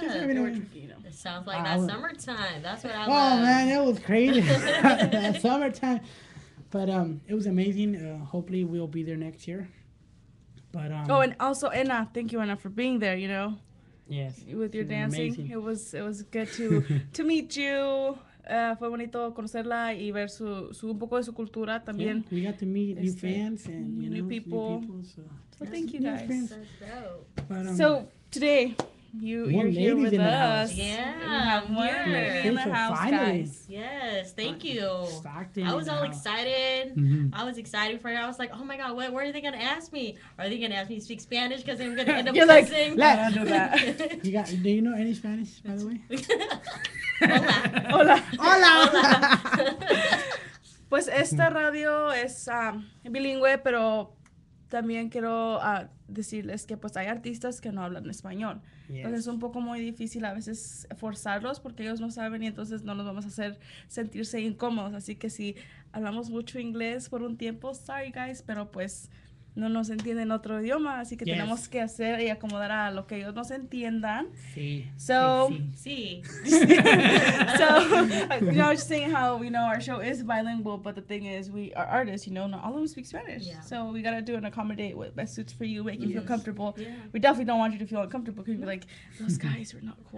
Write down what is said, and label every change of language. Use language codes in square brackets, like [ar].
[en] It sounds like summertime. That's what I love. Oh, man, it was crazy. That summertime. But it was amazing. Hopefully, we'll be there next year. But And also, Anna, thank you, Anna, for being there, you know. Yes. With your dancing. Amazing. It was good to to meet you. [es] Fue bonito conocerla y ver su un poco de su cultura también. [en] Yeah, we got to meet new fans and new people. So thank you guys. That's dope. But, so today you're here with us. Yeah, we're here in the house, guys. Yes, thank you. Stockton, I was all excited. Mm-hmm. I was excited for you. I was like, oh my God, what? Where are they gonna ask me? Are they gonna ask me to speak Spanish? Because I'm gonna end up you're kissing. Like, let's do that. Do you know any Spanish, by the way? [es] Hola. Hola. Hola. Pues esta radio es bilingüe, pero también quiero decirles que pues hay artistas que no hablan español. [en] Yes. [es] Entonces es un poco muy difícil a veces forzarlos porque ellos no saben y entonces no nos vamos a hacer sentirse incómodos. Así que si hablamos mucho inglés por un tiempo, [en] sorry guys, [es] pero pues no nos entienden otro idioma, así que tenemos que hacer y acomodar a lo que ellos nos entiendan. Sí. [en] So, you know, just saying how, you know, our show is bilingual, but the thing is, we are artists, you know, not all of them speak Spanish. Yeah. So we got to do and accommodate what best suits for you, make you feel comfortable. Yeah. We definitely don't want you to feel uncomfortable because you'll be like, those guys are not cool.